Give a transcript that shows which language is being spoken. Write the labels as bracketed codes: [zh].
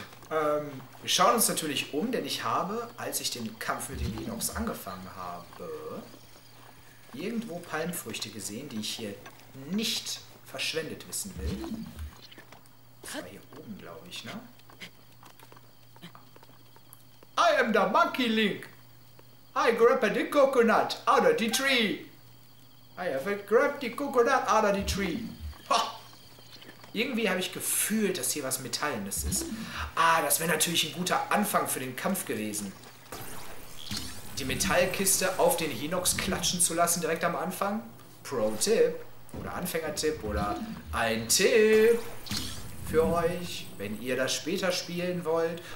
[de] wir schauen uns natürlich um, denn ich habe, als ich den Kampf mit den Hinox angefangen habe, irgendwo Palmfrüchte gesehen, die ich hier nicht verschwendet wissen will. Das war hier oben, glaube ich, ne? [en] I am the Monkey Link! I grabbed the coconut out of the tree! I have grabbed the coconut out of the tree! [de] Irgendwie habe ich gefühlt, dass hier was Metallenes ist. Ah, das wäre natürlich ein guter Anfang für den Kampf gewesen. Die Metallkiste auf den Hinox klatschen zu lassen direkt am Anfang. Pro-Tipp. Oder Anfängertipp. Oder ein Tipp für euch, wenn ihr das später spielen wollt.